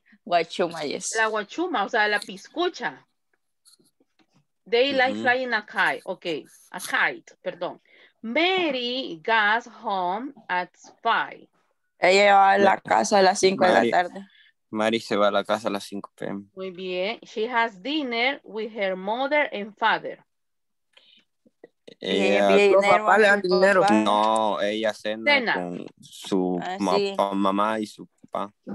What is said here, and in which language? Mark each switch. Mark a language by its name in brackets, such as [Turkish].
[English] Guachuma, yes. [Spanish] La guachuma, o sea, la piscucha. [English] They like flying a kite. Okay. A kite, perdón. Mary got home at 5. [Spanish] Ella va a la casa a las 5 de la tarde. Mary se va a la casa a las 5 p.m. Muy bien. [English] She has dinner with her mother and father. [Spanish] Ella, papá le dan dinero. No, ella cena con su mamá y su papá.